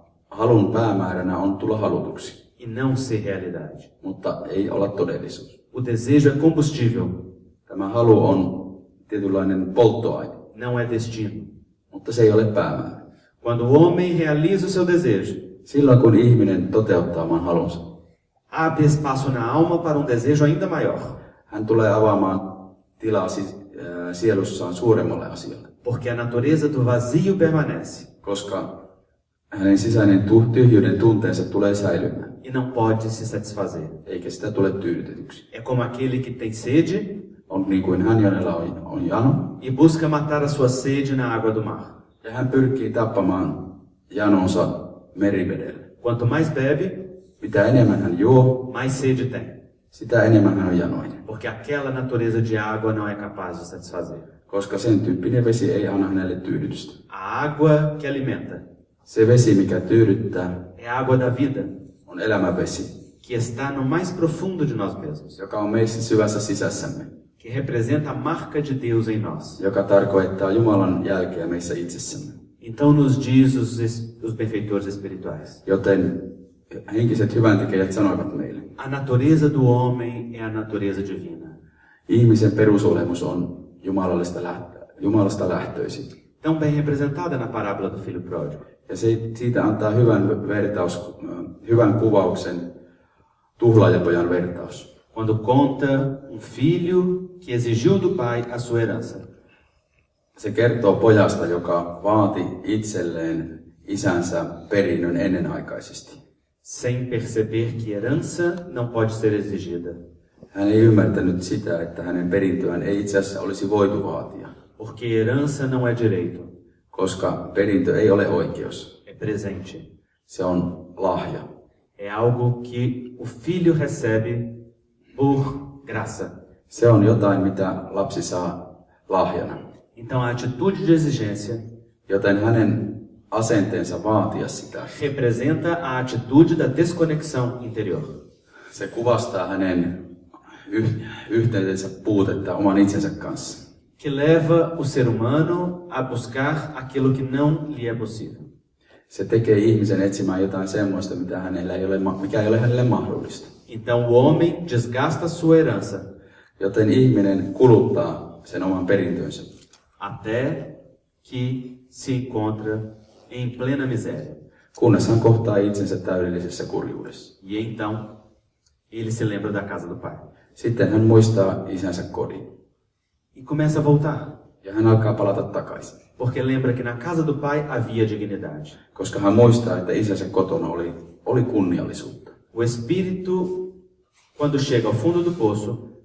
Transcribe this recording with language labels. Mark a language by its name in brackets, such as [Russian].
[Finnish] Halun päämääränä on tulla halutuksi. [Portuguese] E não ser realidade. [Finnish] Mutta ei olla todellisuus. [Portuguese] O desejo é combustível. [Finnish] Tämä halu on tietynlainen polttoaine. [Portuguese] Não é destino. [Finnish] Mutta se ei ole päämäärä. [Portuguese] Quando o homem realiza o seu desejo, [Finnish] silloin kun ihminen toteuttaa oman halunsa, [Portuguese] abre espaço na alma para desejo ainda maior. [Finnish] Hän tulee avaamaan tilaa sielussaan suuremmalle asialle. [Portuguese] Porque a natureza do vazio permanece. [Finnish] Koska hänen sisäinen tyhjyyden tunteensa tulee säilymään. [Portuguese] E não pode se satisfazer. [Finnish] Eikä sitä tule tyydytetyksi. [Portuguese] É como aquele que tem sede. [Finnish] On niin kuin hän, jonella on jano. [Portuguese] E busca matar a sua sede na água do mar. [Finnish] Ja hän pyrkii tappamaan janonsa merivedellä. [Portuguese] Quanto mais bebe, [Finnish] mitä enemmän hän juo, [Portuguese] mais sede tem. [Finnish] Sitä enemmän hän on janoinen. [Portuguese] Porque aquela natureza de água não é capaz de satisfazer. [Finnish] Koska sen tyyppinen vesi ei anna hänelle tyydytystä. [Portuguese] A água que alimenta. [Finnish] Se vesi, mikä tyydyttää, [Portuguese] é a água da vida. [Finnish] On elämän vesi. [Portuguese] Que está no mais profundo de nós mesmos. [Finnish] Joka on meissä syvässä sisässämme. [Portuguese] Que representa a marca de Deus em nós. [Finnish] Joka tarkoittaa Jumalan jälkeä meissä itsessämme. [Portuguese] Então nos diz os benfeitores espirituais. [Finnish] Joten henkiset hyväntekijät sanoivat meille. [Portuguese] A natureza do homem é a natureza divina. [Finnish] Ihmisen perusolemus on Jumalasta lähtöisin. [Portuguese] Tão bem representada na parábola do filho pródigo. [Finnish] Ja siitä antaa hyvän vertaus, hyvän kuvauksen tuhlaajapojan vertaus. [Portuguese] Quando conta filho que exigiu do pai a sua herança. [Finnish] Se kertoo pojasta, joka vaati itselleen isänsä perinnön ennenaikaisesti. [Portuguese] Sem perceber que herança não pode ser exigida. [Finnish] Hän ei ymmärtänyt sitä, että hänen perintöään ei itse asiassa olisi voitu vaatia. [Portuguese] Porque herança não é direito. [Finnish] Koska perintö ei ole oikeus. [Portuguese] É presente. [Finnish] Se on lahja. [Portuguese] É algo que o filho recebe por graça. [Finnish] Se on jotain, mitä lapsi saa lahjana. [Portuguese] Então a atitude de exigência, [Finnish] joten hänen asenteensa vaatia sitä, [Portuguese] representa a atitude da desconexão interior. [Finnish] Se kuvastaa hänen yhteytensä puutetta oman itsensä kanssa. [Portuguese] Que leva o ser humano a buscar aquilo que não lhe é possível. [Finnish] Se tekee ihmisen etsimään jotain semmoista, mitä hänellä ei ole, mikä ei ole hänelle mahdollista. [Portuguese] Então o homem desgasta sua herança. [Finnish] Joten ihminen kuluttaa sen oman perintönsä. [Portuguese] Até que se encontra em plena miséria. [Finnish] Kunnes hän kohtaa itsensä täydellisessä kurjuudessa. [Portuguese] E então ele se lembra da casa do pai. [Finnish] Sitten hän muistaa isänsä kodin. [Portuguese] E começa a voltar. [Finnish] Ja hän alkaa palata takaisin. [Portuguese] Porque lembra que na casa do pai havia dignidade. [Finnish] Koska hän muistaa, että isänsä kotona oli kunniallisuutta. [Portuguese] O espírito, quando chega ao fundo do poço,